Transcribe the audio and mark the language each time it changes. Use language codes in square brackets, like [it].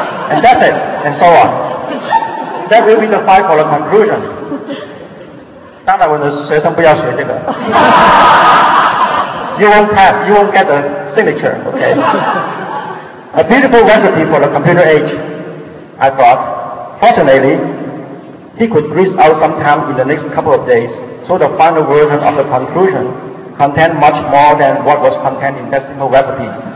[en] And that's it," and so on. "That will be the file for the conclusion." [zh] 当然我的学生不要学这个。 [en] "You won't pass, you won't get the signature, okay?" A beautiful recipe for the computer age, I thought. Fortunately, he could grease out some time in the next couple of days, so the final version of the conclusion contained much more than what was contained in decimal recipe.